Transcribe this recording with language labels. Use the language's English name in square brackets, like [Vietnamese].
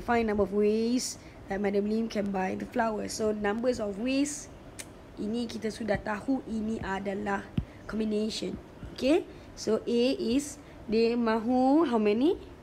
[English] Find number of ways that Madam Lim can buy the flowers. So numbers of ways, [Malay] ini kita sudah tahu ini adalah combination. [English] Okay, so A is [Malay] dia mahu [English] how many?